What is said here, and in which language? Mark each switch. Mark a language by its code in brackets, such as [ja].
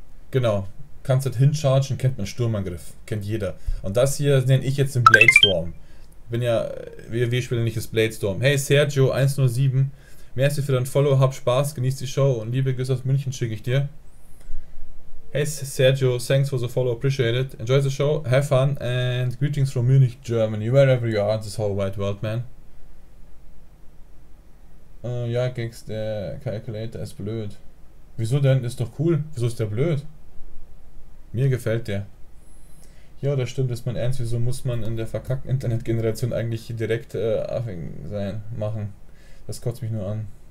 [de] Genau. Kannst du hinchargen, kennt man Sturmangriff. Kennt jeder. Und das hier nenne ich jetzt den Bladestorm. Bin ja. Wir spielen nicht das Bladestorm. Hey Sergio 107. Merci für dein Follow, hab Spaß, genieß die Show und liebe Grüße aus München schicke ich dir. [en] Hey Sergio, thanks for the follow, appreciate it. Enjoy the show, have fun and greetings from Munich, Germany, wherever you are in this whole wide world, man. [de] Ja, Gex, der Calculator ist blöd. Wieso denn? Ist doch cool. Wieso ist der blöd? Mir gefällt der. Ja, das stimmt, ist mein Ernst. Wieso muss man in der verkackten Internetgeneration eigentlich hier direkt affing sein, machen? Das kotzt mich nur an. Genau. Dann.